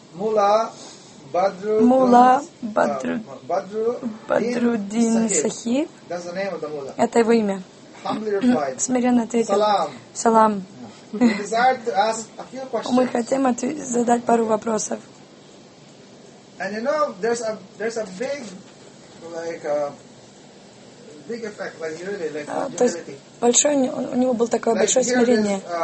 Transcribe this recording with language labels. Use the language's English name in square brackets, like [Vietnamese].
[Russian] Мула Бадруддин Сахи. Это его имя. Смиренно ответил. Салам. [English] We desire to ask a few questions. [Russian] Мы хотим задать пару вопросов. [English] And you know, there's a big, like, big effect, like really, like humility. [Russian] То есть большое у него было такое большое смирение.